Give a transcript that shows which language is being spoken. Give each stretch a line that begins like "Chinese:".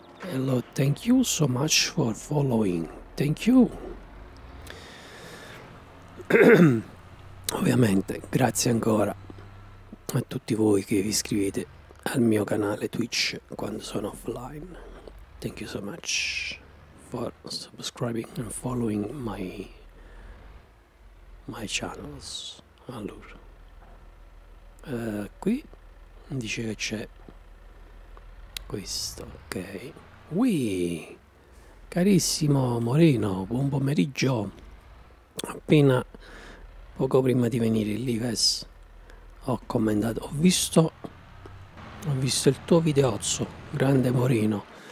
English: Hello, thank you so much for following. Thank you.
Italian: Ovviamente, grazie ancora a tutti voi che vi iscrivete al mio canale Twitch quando sono offline.
English: Thank you so much for subscribing and following my channels.
Italian: Allora, qui dice che c'è questo, ok. Oui, carissimo Moreno, buon pomeriggio. Appena poco prima di venire in Lives ho commentato, ho visto il tuo videozzo, grande Moreno.